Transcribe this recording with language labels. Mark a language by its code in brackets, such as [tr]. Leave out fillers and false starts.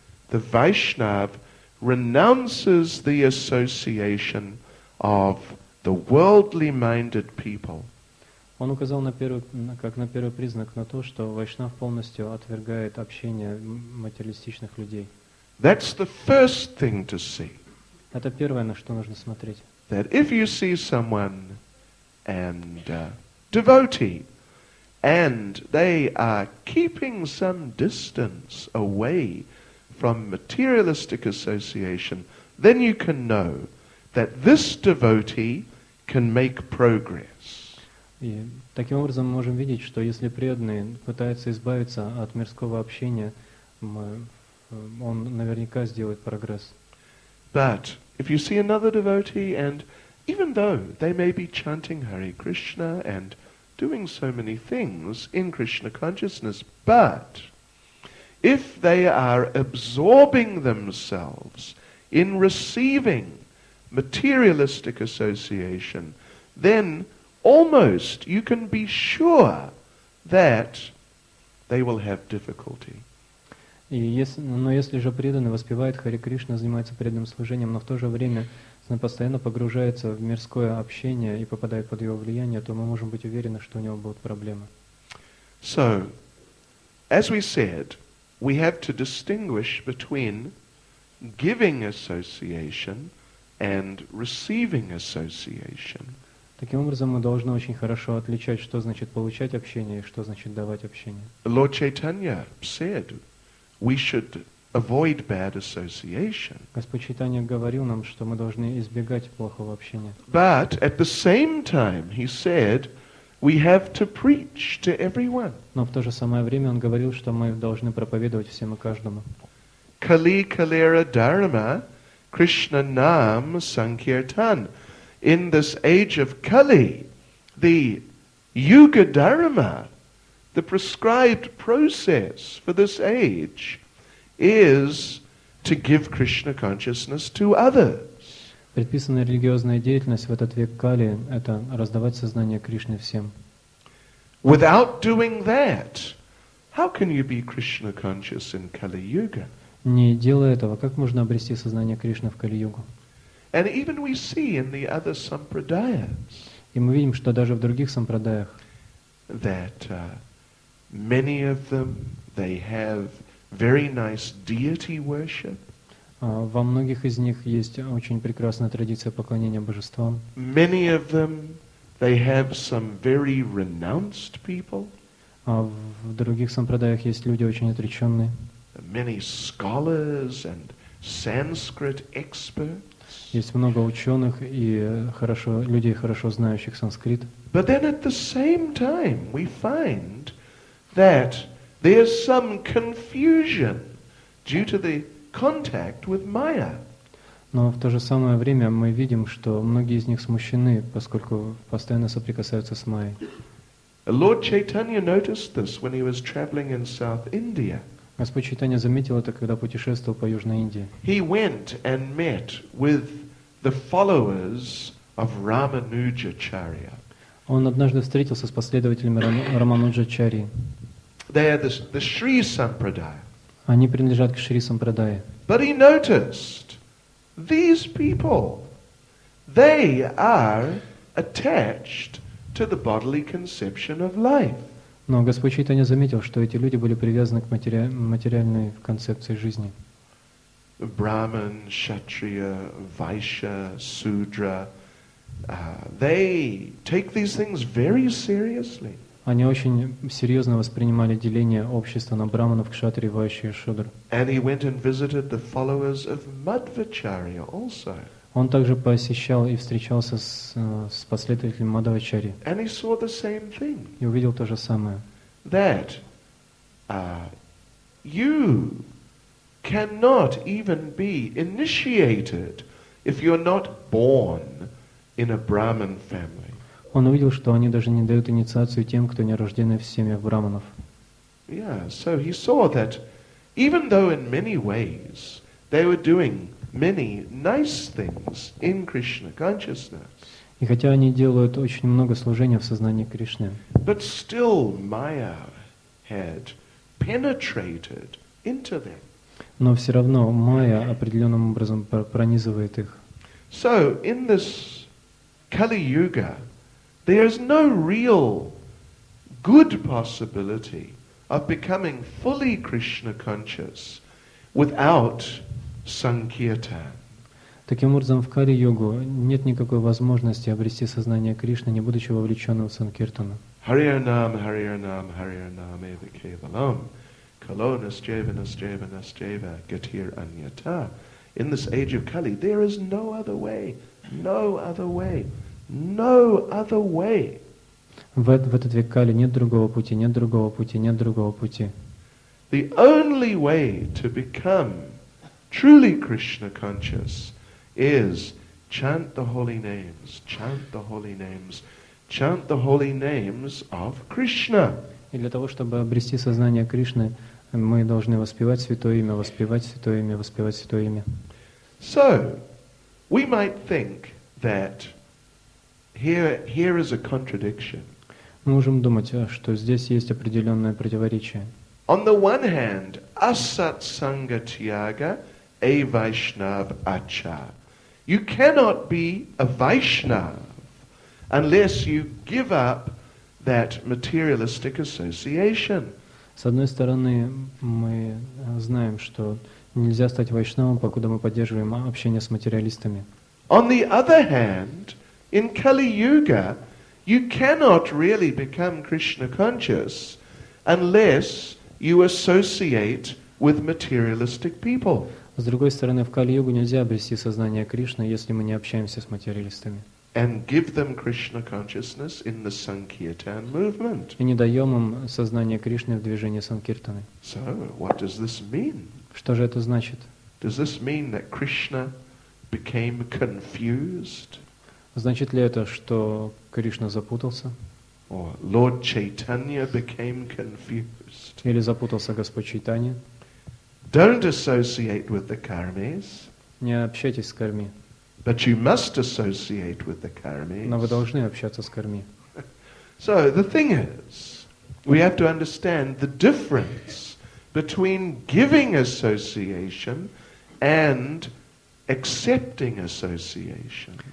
[en] The Vaishnav renounces the association of the worldly minded people. [ru] Он указал на первый, как на первый признак на то, что Вайшнав полностью отвергает общение материалистичных людей. [en] That's the first thing to see. [ru] Это первое, на что нужно смотреть. [en] That if you see someone and devotee, and they are keeping some distance away from materialistic association, then you can know that this devotee can make progress. [ru] И таким образом мы можем видеть, что если преданный пытается избавиться от мирского общения, он наверняка сделает прогресс. [en] But if you see another devotee, and even though they may be chanting Hare Krishna and doing so many things in Krishna consciousness, but if they are absorbing themselves in receiving materialistic association, then almost you can be sure that they will have difficulty. [ru] Но если же преданный воспевает Хари Кришна, занимается преданным служением, но в то же время с он постоянно погружается в мирское общение и попадает под его влияние, то мы можем быть уверены, что у него будут проблемы. [en] So, as we said, we have to distinguish between giving association and receiving association. [ru] Таким образом, мы должны очень хорошо отличать, что значит получать общение и что значит давать общение. [en] Lord Chaitanya said, we should avoid bad association. [ru] Господь Чайтанья говорил нам, что мы должны избегать плохого общения. [en] But at the same time, he said, we have to preach to everyone. [ru] Но в то же самое время он говорил, что мы должны проповедовать всем и каждому. [bn] Kali Kalera Dharma Krishna Nam Sankirtan. [en] In this age of Kali, the Yuga Dharma, the prescribed process for this age, is to give Krishna consciousness to others. [ru] Предписанная религиозная деятельность в этот век Кали — это раздавать сознание Кришны всем. [en] Without doing that, how can you be Krishna conscious in Kali Yuga? [ru] Не делая этого, как можно обрести сознание Кришны в Кали Югу? [en] And even we see in the other sampradayas. [ru] И мы видим, что даже в других сампрадаях. [en] That many of them they have very nice deity worship. [ru] Во многих из них есть очень прекрасная традиция поклонения божествам. [en] Many of them they have some very renounced people. [ru] В других сампрадаях есть люди очень отреченные. [en] Many scholars and Sanskrit experts. [ru] Есть много ученых и хорошо, людей, хорошо знающих санскрит. [en] But then at the same time we find that there's some confusion due to the contact with Maya. [ru] Но в то же самое время мы видим, что многие из них смущены, поскольку постоянно соприкасаются с Майей. [en] Lord Chaitanya noticed this when he was traveling in South India. [ru] Господь Чайтанья заметил это, когда путешествовал по Южной Индии. [en] He went and met with the followers of Ramanujacharya. [ru] Он однажды встретился с последователями Рамануджачари. [en] They are the Shri Sampradaya. [ru] Они принадлежат к Шри Сампрадае. [en] But he noticed these people, they are attached to the bodily conception of life. [ru] Но Господь Чайтанья заметил, что эти люди были привязаны к материальной концепции жизни. [en] Brahman, Kshatriya, Vaishya, Sudra, they take these things very seriously. [ru] Они очень серьезно воспринимали деление общества на Брахманов, Кшатри, Вайши и Шудр. [en] And he went and visited the followers of Madhvacharya also. [ru] Он также посещал и встречался с последователем Мадхвачари. [en] And he saw the same thing. [ru] И увидел то же самое. [en] That you cannot even be initiated if you're not born in a Brahmin family. [ru] Он увидел, что они даже не дают инициацию тем, кто не рожденный в семье брахманов. [en] Yeah, so he saw that even though in many ways they were doing many nice things in Krishna consciousness. [ru] И хотя они делают очень много служения в сознании Кришны. [en] But still Maya had penetrated into them. [ru] Но все равно Maya определенным образом пронизывает их. [en] So in this Kali Yuga, there is no real good possibility of becoming fully Krishna conscious without Sankirtan. [ru] Таким образом, в Кали-йогу нет никакой возможности обрести сознание Кришны, не будучи вовлеченным в Санкиртану. [sa] Хари-ар-нам, Хари-ар-нам, Хари-ар-нам, Эва-кевалам, Кало-нас-джева, нас-джева, нас-джева, Гатир-аньята. [en] In this age of Kali, there is no other way, no other way, no other way. [ru] В этот век Кали нет другого пути, нет другого пути, нет другого пути. [en] The only way to become truly Krishna conscious is chant the holy names, chant the holy names, chant the holy names of Krishna. [ru] И для того, чтобы обрести сознание Кришны, мы должны воспевать святое имя, воспевать святое имя, воспевать святое имя. [en] So, we might think that here is a contradiction. [ru] Мы можем думать, что здесь есть определенное противоречие. [en] On the one hand, [bn] asat sanga tyaga, a Vaishnav Acha. [en] You cannot be a Vaishnava unless you give up that materialistic association. [ru] С одной стороны, мы знаем, что нельзя стать вайшнавом, покуда мы поддерживаем общение с материалистами. [en] On the other hand, in Kali Yuga, you cannot really become Krishna conscious unless you associate with materialistic people. [ru] С другой стороны, в Кали-Югу нельзя обрести сознание Кришны, если мы не общаемся с материалистами. [en] And give them Krishna consciousness in the Sankirtan movement. [ru] И не даем им сознание Кришны в движении Санкиртаны. [en] So, what does this mean? [ru] Что же это значит? [en] Does this mean that Krishna became confused? [ru] Значит ли это, что Кришна запутался? [en] Or Lord Chaitanya became confused? [ru] Или запутался Господь Чайтанья? [en] Don't associate with the karmis. [ru] Не общайтесь с карми. [en] But you must associate with the karmis. [ru] Но вы должны общаться с карми. [en] So the thing is, we have to understand the difference between giving association and accepting association.